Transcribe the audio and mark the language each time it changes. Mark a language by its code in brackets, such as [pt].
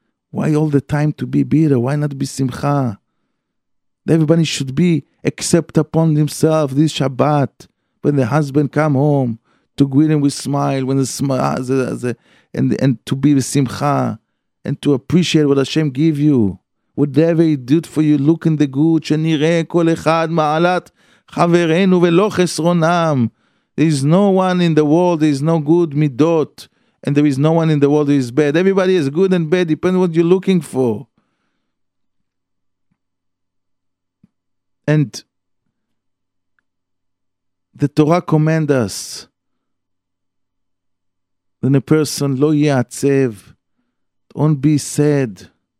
[en] Why all the time to be bitter? Why not be simcha? Everybody should be accept upon himself this Shabbat. When the husband come home, to greet him with smile. And to be besimcha. And to appreciate what Hashem give you. Whatever he did for you, look in the good. [he] שנראה כל אחד מעלת חברנו ולא חסרונם. [en] There is no one in the world, there is no good midot. And there is no one in the world who is bad. Everybody is good and bad, depending on what you're looking for. And the Torah commands us when a person [he] לא יעצב, [en] don't be sad.